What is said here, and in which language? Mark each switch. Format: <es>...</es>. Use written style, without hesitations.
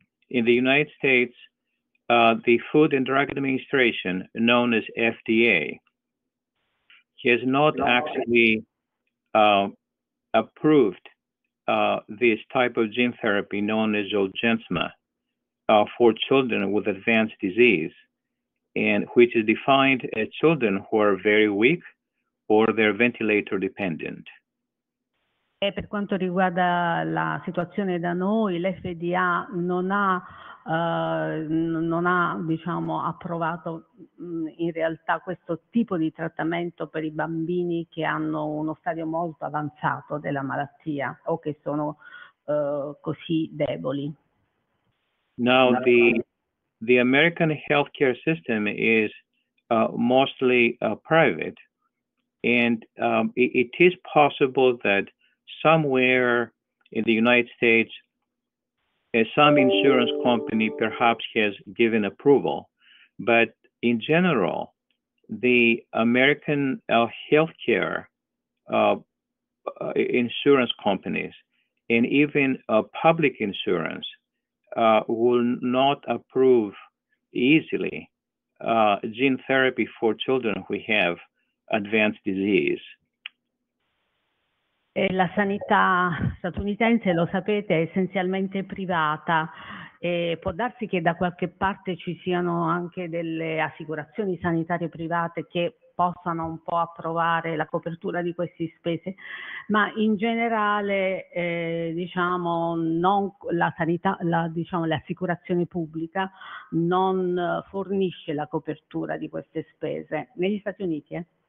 <en>In the United States, the Food and Drug Administration, known as FDA, has not actually approved this type of gene therapy known as Zolgensma. For children with advanced disease, and which is defined as children who are very weak or they're ventilator dependent.</en> <it>E per quanto riguarda la situazione da noi, l'FDA non ha, diciamo, approvato in realtà questo tipo di trattamento per i bambini che hanno uno stadio molto avanzato della malattia o che sono così deboli.</it> <en>Now, the American healthcare system is mostly private, and it is possible that somewhere in the United States, some insurance company perhaps has given approval. But in general, the American healthcare insurance companies and even public insurance will not approve easily gene therapy for children who have advanced disease.</en> <it>E la sanità statunitense, lo sapete, è essenzialmente privata. E può darsi che da qualche parte ci siano anche delle assicurazioni sanitarie private che possano un po' approvare la copertura di queste spese, ma in generale diciamo non la sanità, diciamo l'assicurazione pubblica non fornisce la copertura di queste spese negli Stati Uniti.</it>